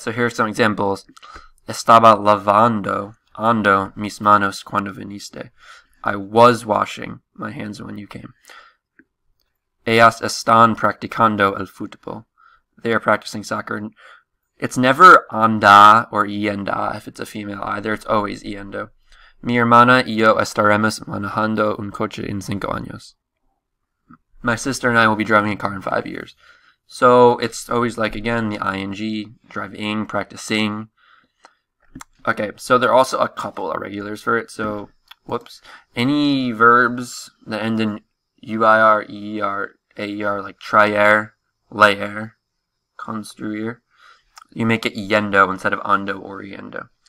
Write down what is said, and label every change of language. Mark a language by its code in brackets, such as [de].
[en] So here are some examples. [es] Estaba lavando, ando, mis manos cuando viniste. [en] I was washing my hands when you came. [es] Ellas están practicando el fútbol. [en] They are practicing soccer. It's never anda or yenda if it's a female either. It's always yendo. [es] Mi hermana y yo estaremos manejando un coche en 5 años. [en] My sister and I will be driving a car in 5 years. So it's always like, again, the ing, driving, practicing. Okay, so there are also a couple of regulars for it. So, whoops. Any verbs that end in uir, eer, aer, like traer, leer, construir, you make it yendo instead of ando or yendo.